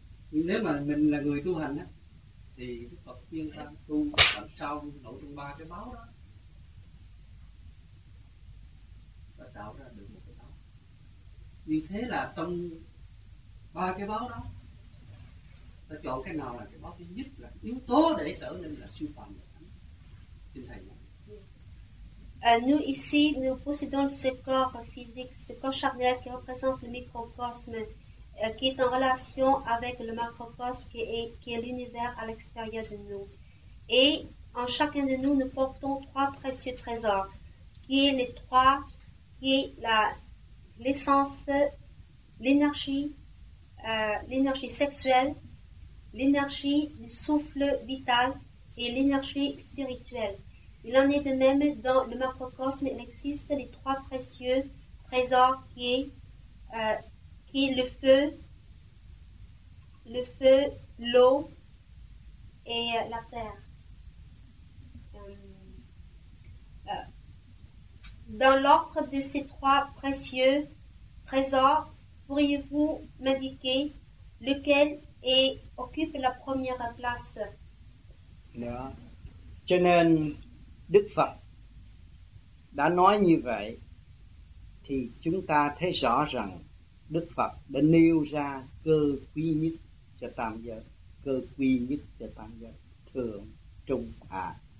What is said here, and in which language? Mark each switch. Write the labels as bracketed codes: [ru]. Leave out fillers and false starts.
[vi] Nhưng nếu mà mình là người tu hành á, thì Đức Phật khuyên ta tu làm sao nổi trong ba cái báo đó và tạo ra được một cái báo. Như thế là trong ba cái báo đó ta chọn cái nào là cái báo thứ nhất, là yếu tố để trở nên là siêu phàm được. Xin thầy nhé. [fr] Nous ici, nous possédons ce corps physique, ce corps charnel qui représente le microcosme, qui est en relation avec le macrocosme qui est l'univers à l'extérieur de nous. Et en chacun de nous, nous portons trois précieux trésors, qui est l'essence, l'énergie sexuelle, l'énergie du souffle vital et l'énergie spirituelle. Il en est de même dans le macrocosme, il existe les trois précieux trésors qui est le feu, l'eau et la terre. Dans l'ordre de ces trois précieux trésors, pourriez-vous m'indiquer lequel occupe la première place? [vi] Cho nên Đức Phật đã nói như vậy thì chúng ta thấy rõ rằng Đức Phật đã nêu ra cơ quy nhất cho tam giới, cơ quy nhất cho tam giới, thượng, trung, hạ.